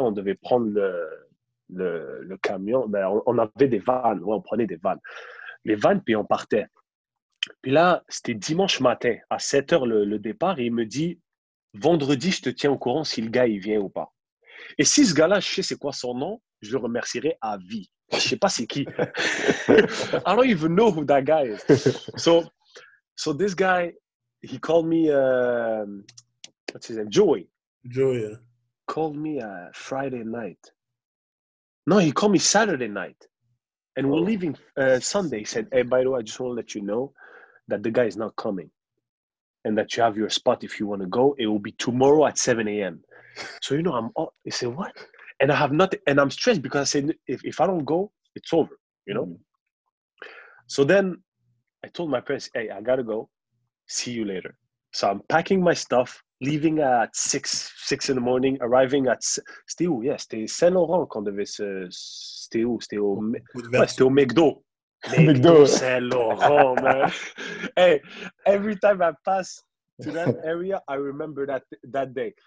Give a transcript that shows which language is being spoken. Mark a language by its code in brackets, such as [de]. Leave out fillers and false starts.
[fr] On devait prendre le camion. Ben, on avait des vannes, ouais, on prenait des vannes. Les vannes, puis on partait. Puis là, c'était dimanche matin à 7h le départ. Et il me dit, vendredi, je te tiens au courant si le gars, il vient ou pas. Et si ce gars-là, je sais c'est quoi son nom, je le remercierai à vie. Je sais pas c'est qui. [en] I don't even know who that guy is. So this guy, he called me, what's his name? Joey. Joey, yeah. Called me Friday night. No, he called me Saturday night. And we're leaving Sunday. He said, hey, by the way, I just want to let you know that the guy is not coming and that you have your spot if you want to go. It will be tomorrow at 7 a.m. So, you know, I'm all, he said, what? And I have nothing, and I'm stressed because I said, if I don't go, it's over, you know? So then I told my parents, hey, I gotta go. See you later. So I'm packing my stuff, leaving at six in the morning, arriving at, [fr] c'était où? Yeah, c'était Saint-Laurent qu'on devait se, c'était où? C'était au McDo. McDo. [en] Saint-Laurent, man. Hey, every time I pass to that area, I remember that day.